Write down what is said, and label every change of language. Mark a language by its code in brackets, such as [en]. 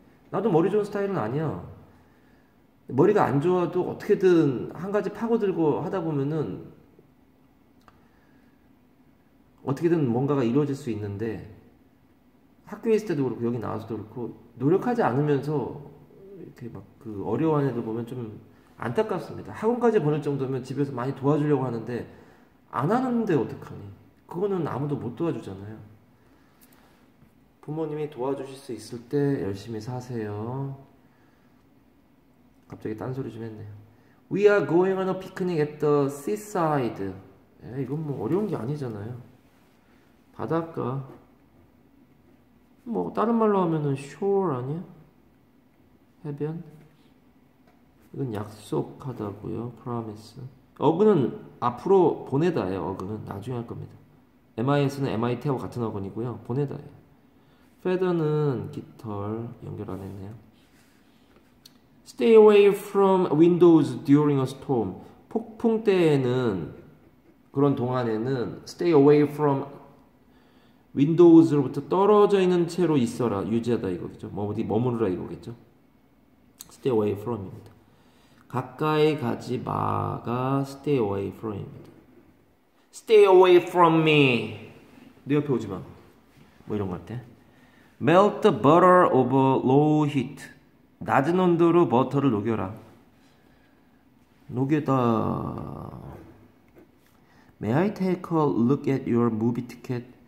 [ko] 나도 머리 좋은 스타일은 아니야. 머리가 안 좋아도 어떻게든 한 가지 파고들고 하다 보면은 어떻게든 뭔가가 이루어질 수 있는데 학교에 있을 때도 그렇고 여기 나와서도 그렇고 노력하지 않으면서 이렇게 막그 어려운 애들 보면 좀 안타깝습니다. 학원까지 보낼 정도면 집에서 많이 도와주려고 하는데 안 하는데 어떡하니? 그거는 아무도 못 도와주잖아요. 부모님이 도와주실 수 있을 때 열심히 사세요. 갑자기 딴소리 좀 했네요. [en] We are going on a picnic at the seaside. [ko] 이건 뭐 어려운 게 아니잖아요. 바닷가. 뭐 다른 말로 하면은 shore 아니야? 해변? 이건 약속하다고요. promise. 어그는 앞으로 보내다예요. 어그는 나중에 할 겁니다. MIS는 MIT하고 같은 어근이고요. 보내다예요. Feather는 깃털 연결 안 했네요. [en] Stay away from windows during a storm. [ko] 폭풍 때에는 그런 동안에는 [en] stay away from windows [ko] 로부터 떨어져 있는 채로 있어라. 유지하다 이거겠죠. 뭐 어디 머무르라 이거겠죠. [en] Stay away from [ko] 입니다. 가까이 가지 마가 [en] stay away from [ko] 입니다. [en] Stay away from me. [ko] 내 옆에 오지 마. 뭐 이런 거할 때. [en] Melt the butter over low heat. [ko] 낮은 온도로 버터를 녹여라. 녹여다. [en] May I take a look at your movie ticket?